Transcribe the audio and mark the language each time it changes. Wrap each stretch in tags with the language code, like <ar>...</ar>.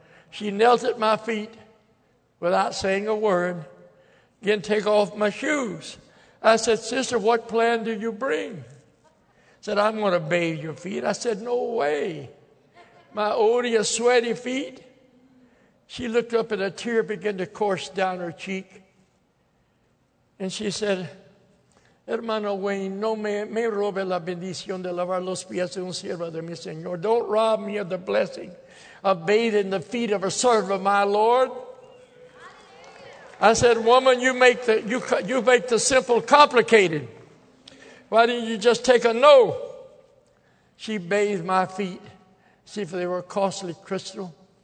<en>She knelt at my feet without saying a word, again, take off my shoes. I said, sister, what plan do you bring? Said, I'm going to bathe your feet. I said, no way. My odious, sweaty feet. She looked up and a tear began to course down her cheek. And she said,</en> <es>hermano Wayne, no me robe la bendición de lavar los pies de un siervo de mi Señor.</es> <en>Don't rob me of the blessing of bathing the feet of a servant of my Lord. I said, woman, you make the simple complicated. Why didn't you just take a no? She bathed my feet, see if they were costly crystal.</en>